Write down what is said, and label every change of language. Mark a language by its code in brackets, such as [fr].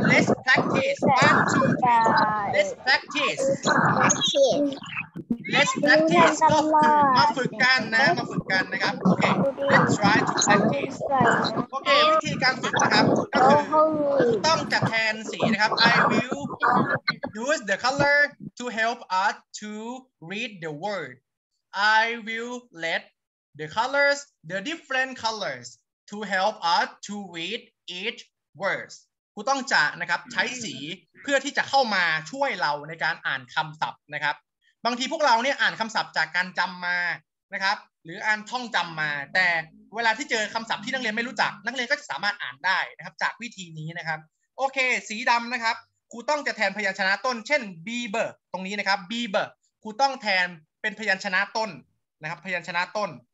[en] Let's practice. One, two, three. Let's practice. Let's practice. [th] ก็คือมาฝึกกันนะ มาฝึกกันนะครับ. [en] Okay. Let's try to practice. Okay. [th] วิธีการฝึกนะครับ ก็คือต้องจัดแทนสีนะครับ. [en] I will use the color to help us to read the word. I will letThe colors, the different colors to help us to read each words. [th] ครูต้องจะนะครับใช้สีเพื่อที่จะเข้ามาช่วยเราในการอ่านคำศัพท์นะครับบางทีพวกเราเนี่ยอ่านคำศัพท์จากการจำมานะครับหรืออ่านท่องจำมาแต่เวลาที่เจอคำศัพท์ที่นักเรียนไม่รู้จักนักเรียนก็จะสามารถอ่านได้นะครับจากวิธีนี้นะครับโอเคสีดำนะครับครูต้องจะแทนพยัญชนะต้นเช่น beaver ตรงนี้นะครับ beaver ครูต้องแทนเป็นพยัญชนะต้นนะครับพยัญชนะต้น